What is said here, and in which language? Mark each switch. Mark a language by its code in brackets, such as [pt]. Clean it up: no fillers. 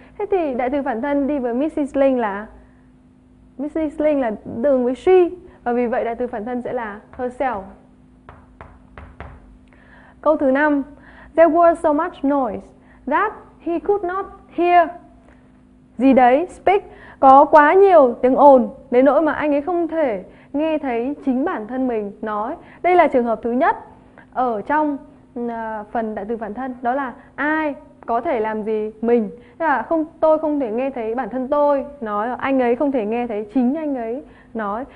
[vi] Thế thì đại từ phản thân đi với Mrs. Ling là, Mrs. Ling là đường với she, và vì vậy đại từ phản thân sẽ là herself. Câu thứ năm, [en] there was so much noise that he could not hear. [vi] Gì đấy, speak, có quá nhiều tiếng ồn đến nỗi mà anh ấy không thể nghe thấy chính bản thân mình nói. Đây là trường hợp thứ nhất ở trong phần đại từ phản thân, đó là ai có thể làm gì mình, tức là không, tôi không thể nghe thấy bản thân tôi nói, hoặc anh ấy không thể nghe thấy chính anh ấy nói.